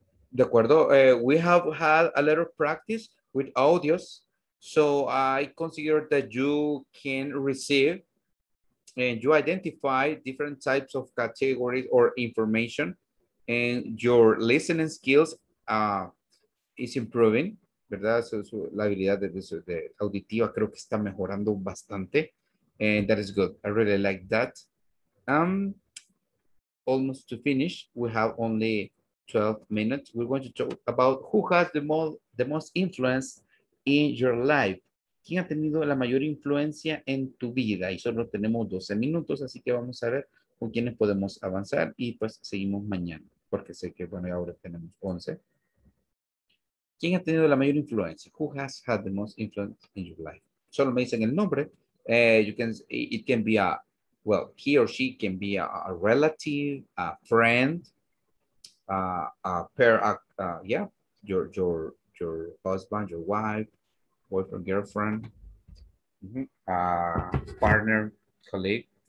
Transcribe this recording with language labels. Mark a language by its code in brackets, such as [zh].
[es] De acuerdo, [en] we have had a little practice with audios, so I consider that you can receive and you identify different types of categories or information, and your listening skills is improving, ¿verdad? [es] So la habilidad de auditiva creo que está mejorando bastante. [en] And that is good. I really like that. Almost to finish, we have only 12 minutes. We're going to talk about who has the most influence in your life. [es] ¿Quién ha tenido la mayor influencia en tu vida? Y solo tenemos 12 minutos, así que vamos a ver con quiénes podemos avanzar y pues seguimos mañana. Porque sé que, bueno, ahora tenemos 11. ¿Quién ha tenido la mayor influencia? [en] Who has had the most influence in your life? [es] Solo me dicen el nombre. [en] It can be he or she can be a relative, a friend, a pair, your husband, your wife, boyfriend, girlfriend, partner, colleague.